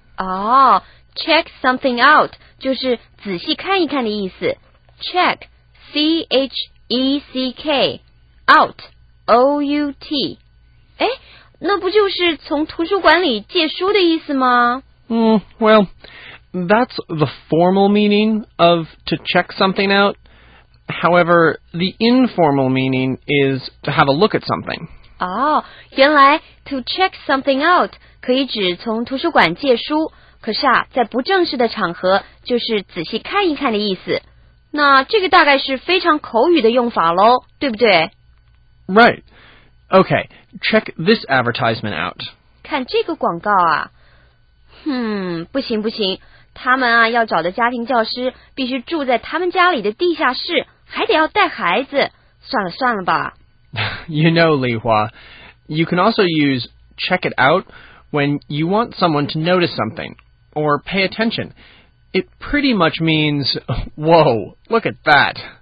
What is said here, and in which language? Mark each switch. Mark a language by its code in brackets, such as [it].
[zh] Oh, [en] check something out [zh] 就是仔细看一看的意思。 [en] Check, C-H-E-C-K, out, O-U-T. [zh] 诶，那不就是从图书馆里借书的意思吗？ [en] Well... That's the formal meaning of to check something out. However, the informal meaning is to have a look at something. [zh] Oh, 原来 [en] to check something out [zh] 可以指从图书馆借书，可是啊，在不正式的场合就是仔细看一看的意思。那这个大概是非常口语的用法咯，对不对？ [en] Right. Okay, check this advertisement out. [zh] 看这个广告啊。不行不行。他们啊，要找的家庭教师必须住在他们家里的地下室，还得要带孩子。算了算了吧。 [en] You know, Li Hua, you can also use check it out when you want someone to notice something or pay attention. It pretty much means, whoa, look at that.